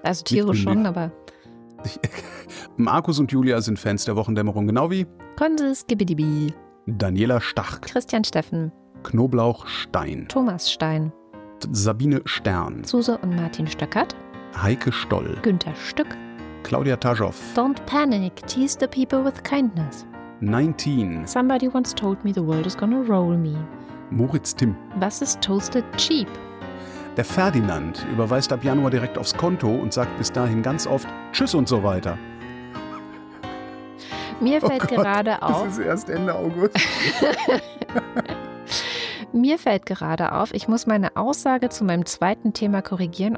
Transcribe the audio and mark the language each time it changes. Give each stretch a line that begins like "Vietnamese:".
German: Also tierisch schon, aber. Markus und Julia sind Fans der Wochendämmerung, genau wie. Konsis Gibidibi. Daniela Stach. Christian Steffen. Knoblauch Stein. Thomas Stein. Sabine Stern. Suse und Martin Stöckert. Heike Stoll. Günther Stück. Claudia Tajov.
English: Don't panic, tease the people with kindness. 19. Somebody once told me the world is gonna roll me.
German: Moritz Timm. Was ist
English: toasted cheap?
German: Der Ferdinand überweist ab Januar direkt aufs Konto und sagt bis dahin ganz oft Tschüss und so weiter. Mir fällt gerade auf. Das ist erst Ende August. Mir fällt gerade auf, ich muss meine Aussage zu meinem zweiten Thema korrigieren.